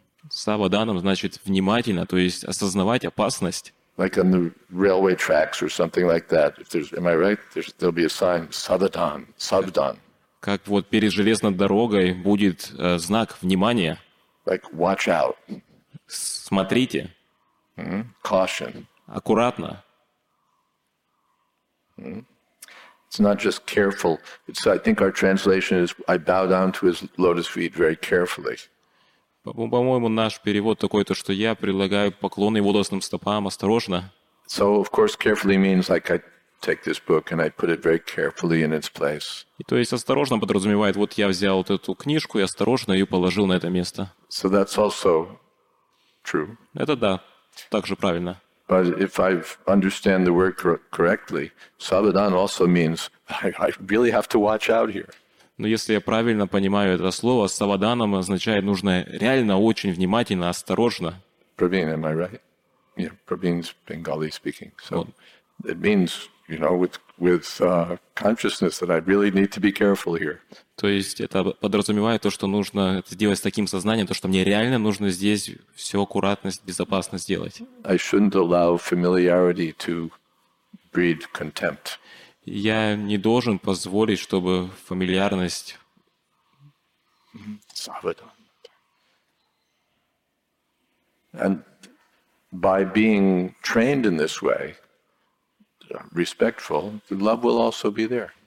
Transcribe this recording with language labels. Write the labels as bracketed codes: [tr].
[ru] Савадханам значит внимательно, то есть осознавать опасность. [en] Like on the railway tracks or something like that. If there's, am I right? There'll be a sign, Savadhan, Savadhan. [ru] Как вот перед железной дорогой будет знак внимания. [en] Like watch out. [ru] Смотрите. [en] Mm-hmm. Caution. [ru] Аккуратно. [en] Mm-hmm. It's not just careful. It's, I think our translation is, I bow down to his lotus feet very carefully. [ru] По-моему, наш перевод такой, то, что я предлагаю поклоны его лотосным стопам осторожно. [en] So, of course, carefully means like I take this book and I put it very carefully in its place. [ru] И то есть осторожно подразумевает, вот я взял вот эту книжку и осторожно ее положил на это место. [en] So that's also true. [ru] Это да, также правильно. [en] But if I understand the word correctly, Savadhan also means I really have to watch out here. [ru] Но если я правильно понимаю это слово, савадханам означает нужно реально очень внимательно, осторожно. [en] Praveen, am I right? Yeah, Praveen's Bengali speaking. So it means, you know, with consciousness that I really need to be careful here. [ru] То есть это подразумевает то, что нужно это делать с таким сознанием, то, что мне реально нужно здесь все аккуратно, безопасно сделать. [en] I shouldn't allow familiarity to breed contempt. [ru] Я не должен позволить, чтобы фамильярность. [sa] Savadhan. [en] And by being trained in this way, respectful, love will also be there.